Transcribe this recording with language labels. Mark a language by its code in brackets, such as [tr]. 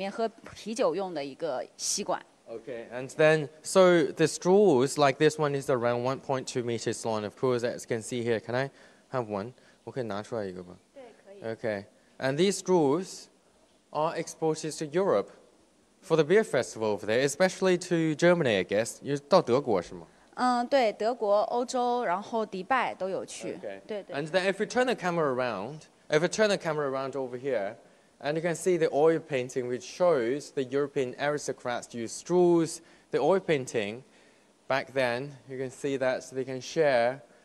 [zh] 是，它这个有1米2左右的一个长度。那么这个吸管呢，它其实是我们出口到欧洲一些国家做这个啤酒节里面的这个插到啤酒桶里面喝啤酒用的一个吸管。 [en] Okay, and then, so the straws, like this one, is around 1.2 meters long, of course, as you can see here. Can I have one? [zh] 我可以拿出来一个吧? 对,可以。 [en] Okay, and these straws are exported to Europe for the beer festival over there, especially to Germany, I guess. [zh] 到德国是吗? 对,德国,欧洲,然后迪拜都有去。 Okay, 对。 [en] And then if we turn the camera around over here, and you can see the oil painting, which shows the European aristocrats used straws. The oil painting, back then, you can see that they can share.